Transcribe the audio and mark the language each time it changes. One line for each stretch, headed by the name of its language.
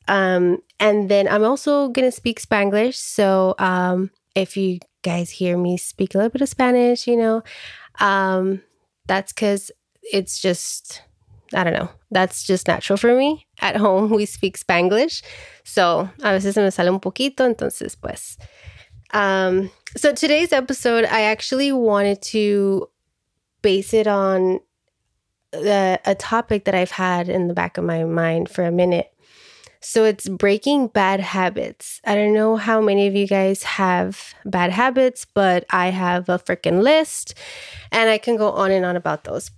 English: And then I'm also going to speak Spanglish. So if you guys hear me speak a little bit of Spanish, you know, that's because it's just, I don't know, that's just natural for me. At home, we speak Spanglish.
Spanish: So a veces se me sale un poquito, entonces pues.
English: So today's episode, I actually wanted to base it on a topic that I've had in the back of my mind for a minute. So it's breaking bad habits. I don't know how many of you guys have bad habits, but I have a freaking list and I can go on and on about those.